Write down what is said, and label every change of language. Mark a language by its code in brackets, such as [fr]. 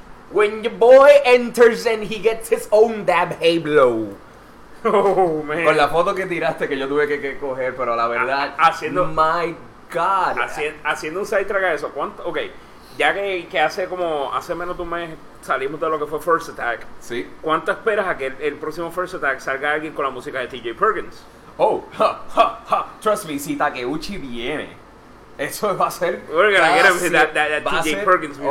[en] When your boy enters and he gets his own dab, hey, blow. Oh, man. [es] Con la foto que tiraste que yo tuve que coger, pero la verdad. Haciendo un side track a eso. ¿Cuánto? Ok. Ya que hace menos de un mes salimos de lo que fue First Attack. Sí. ¿Cuánto esperas a que el próximo First Attack salga alguien con la música de TJ Perkins? [en] Oh, trust me, [es] si Takeuchi viene, eso va a ser... [en] We're gonna get him that TJ Perkins music.